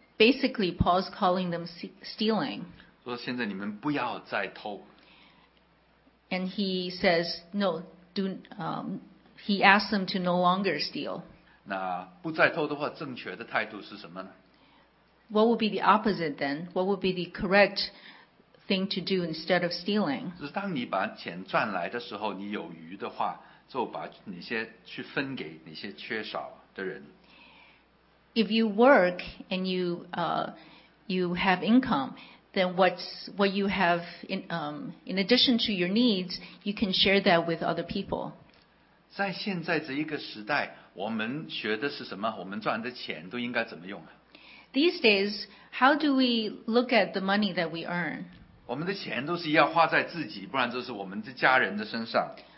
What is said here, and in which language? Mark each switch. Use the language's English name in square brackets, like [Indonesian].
[English] Basically, Paul's calling them stealing. [Chinese] 说现在你们不要再偷。 [English] And he says, no, he asks them to no longer steal. [Chinese] 那不再偷的话，正确的态度是什么呢 [English] ？What would be the opposite then? What would be the correct thing to do instead of stealing? [Chinese] 就是当你把钱赚来的时候，你有余的话，就把那些去分给那些缺少的人。 [English] If you work and you have income, then what you have in addition to your needs, you can share that with other people. [Chinese] 在现在这一个时代。我们学的是什么？我们赚的钱都应该怎么用啊 [English] ？These days, how do we look at the money that we earn? [Chinese] 我们的钱都是要花在自己，不然就是我们的家人的身上。